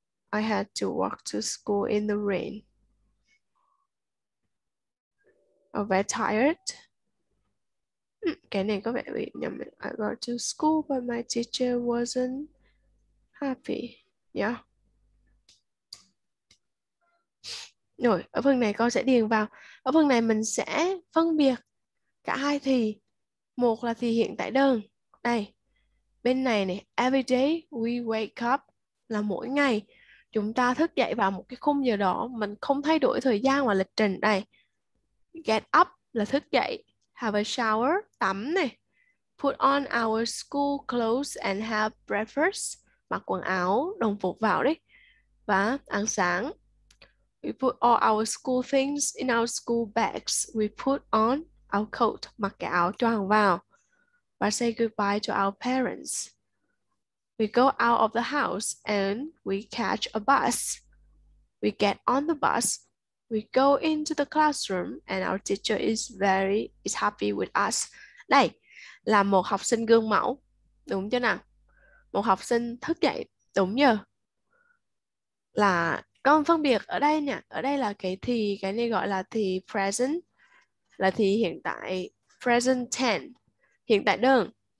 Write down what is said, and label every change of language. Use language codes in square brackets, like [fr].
[en] I had to walk to school in the rain. I'm very tired. [vi] Cái này có vẻ bị nhầm. [en] I got to school, but my teacher wasn't happy. Yeah. [vi] Rồi, ở phần này con sẽ điền vào. Ở phần này mình sẽ phân biệt cả hai thì. Một là thì hiện tại đơn. Đây, bên này này. [en] Every day we wake up [vi] là mỗi ngày. Chúng ta thức dậy vào một cái khung giờ đó. Mình không thay đổi thời gian và lịch trình. Đây, [en] get up [vi] là thức dậy. [en] Have a shower, [vi] tắm này. [en] Put on our school clothes and have breakfast. [vi] Mặc quần áo, đồng phục vào đấy. Và ăn sáng. [en] We put all our school things in our school bags. We put on our coat, [vi] mặc cái áo choàng vào. Và [en] say goodbye to our parents. We go out of the house and we catch a bus. We get on the bus. We go into the classroom and our teacher is happy with us. [vi] Đây là một học sinh gương mẫu, đúng chưa nào? Một học sinh thức dậy đúng giờ. Là con phân biệt ở đây nhỉ? Ở đây là cái thì, cái này gọi là thì present, là thì hiện tại, [en] present tense, [vi] hiện tại đơn.